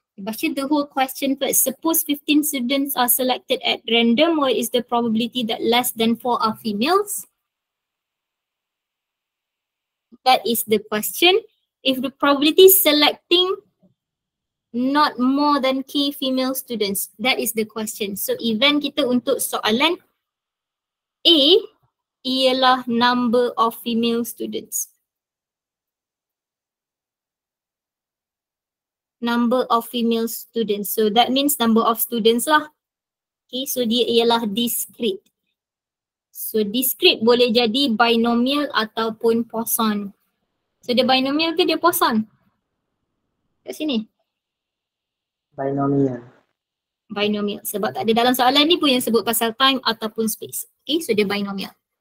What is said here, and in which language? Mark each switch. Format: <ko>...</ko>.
<en>Baca the whole question first. Suppose 15 students are selected at random, what is the probability that less than 4 are females? That is the question. If the probability selecting not more than k female students, that is the question.</en> <ms>So event kita untuk soalan A ialah</ms> <en>number of female students. Number of female students. So that means number of students lah.</en> <ms>Okay, so dia ialah discrete. So discrete boleh jadi binomial ataupun Poisson. So dia binomial ke dia Poisson? Kat sini.</ms> <en>Binomial.</en> <ms>Binomial. Sebab tak ada dalam soalan ni pun yang sebut pasal time ataupun space. Okay, so dia binomial.</ms>